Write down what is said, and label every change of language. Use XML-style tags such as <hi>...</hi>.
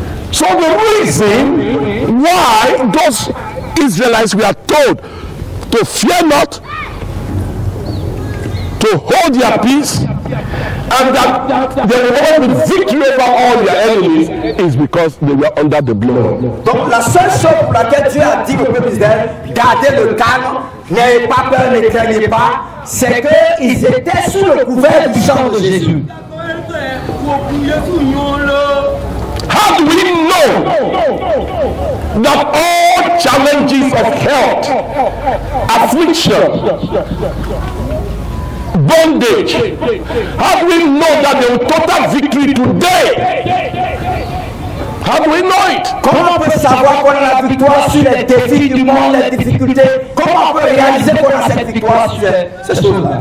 <en>So the reason why those Israelites were told to fear not, to hold their peace, and that they will have victory over all their enemies is because they were under the blood.</en> <fr>Donc la seule chose pour laquelle Dieu a dit au peuple d'Israël, gardez le calme, n'ayez pas peur, ne craignez pas, c'est qu'ils étaient sous le couvert du sang de Jésus.</fr> <en>How do we know that all challenges of health, affliction, bondage, how do we know that they will total victory today? How do we know it?</en> <fr>Comment on peut savoir qu'on a la victoire sur les défis du monde, les difficultés? Comment on peut réaliser qu'on a cette victoire sur ces choses-là?</fr>